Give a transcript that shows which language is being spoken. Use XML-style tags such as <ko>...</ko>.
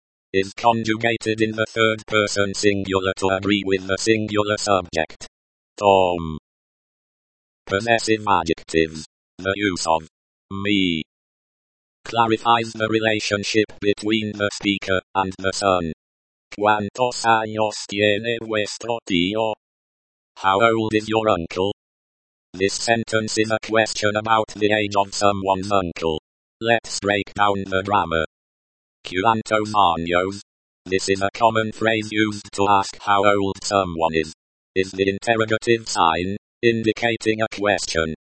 <en>Is conjugated in the third person singular to agree with the singular subject. Tom. Possessive adjectives. The use of me clarifies the relationship between the speaker and the son.</en> <es>¿Cuántos años tiene vuestro tío?</es> <en>How old is your uncle? This sentence is a question about the age of someone's uncle. Let's break down the grammar.</en> <es>¿Cuántos años?</es> <en>This is a common phrase used to ask how old someone is the interrogative sign, indicating a question.</en>